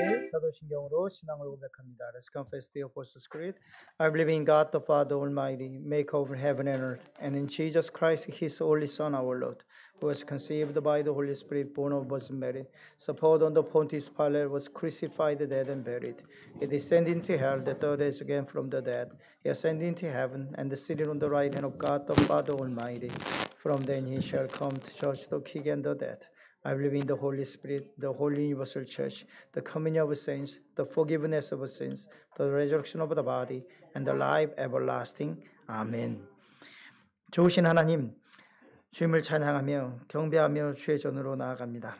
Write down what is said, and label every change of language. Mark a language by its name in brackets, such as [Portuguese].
[Korean] 사도신경으로 신앙을 고백합니다. [English] Let's confess the Apostles' Creed. I believe in God the Father Almighty, maker of heaven and earth, and in Jesus Christ, His only Son, our Lord, who was conceived by the Holy Spirit, born of Virgin Mary, suffered under Pontius Pilate, was crucified, dead, and buried. He descended into hell, the third day again from the dead. He ascended into heaven, and is seated on the right hand of God the Father Almighty. From then He shall come to judge the quick and the dead. I believe in the Holy Spirit, the Holy Universal Church, the communion of saints, the forgiveness of sins, the resurrection of the body, and the life everlasting. Amen. [Korean] 좋으신 하나님, 주님을 찬양하며 경배하며 주의 전으로 나아갑니다.